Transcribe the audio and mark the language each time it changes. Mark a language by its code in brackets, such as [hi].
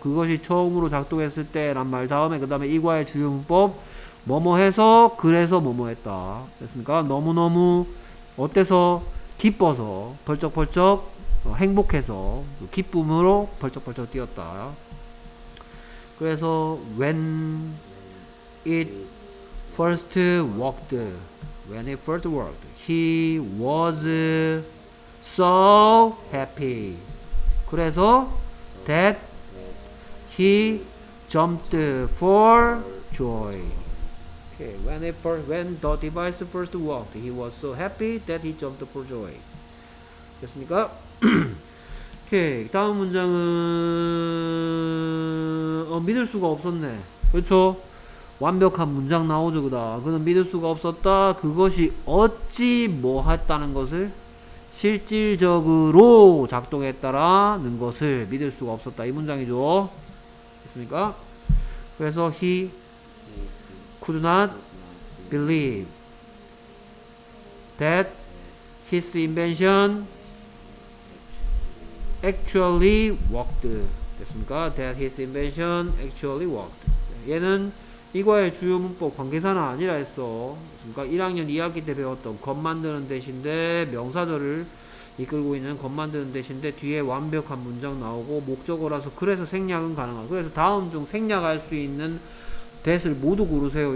[ko] 그것이 처음으로 작동했을 때란 말 다음에 그 다음에 이과의 주요문법 뭐뭐 해서 그래서 뭐뭐 했다. 됐습니까? 너무너무 어때서 기뻐서 벌쩍벌쩍 행복해서 기쁨으로 벌쩍벌쩍 뛰었다. 그래서 [en] when it first worked when it first worked he was so happy. [ko] 그래서 [en] that he jumped for joy. Okay. When the device first worked, he was so happy that he jumped for joy. [ko] 됐습니까? okay. 다음 문장은 믿을 수가 없었네. 그렇죠? 완벽한 문장 나오죠, 그다. 그는 믿을 수가 없었다. 그것이 어찌 뭐 했다는 것을 실질적으로 작동했다라는 것을 믿을 수가 없었다. 이 문장이죠. 됐습니까? 그래서 [en] he could not believe that his invention actually worked. [ko] 됐습니까? [en] That his invention actually worked. [ko] 얘는 이과의 주요 문법 관계사나 아니라 했어. 그러니까 1학년 2학기 때 배웠던 겉 만드는 대신에 명사절을 이끌고 있는 겉 만드는 대신에 뒤에 완벽한 문장 나오고 목적어라서 그래서 생략은 가능하고 그래서 다음 중 생략할 수 있는 that을 모두 고르세요.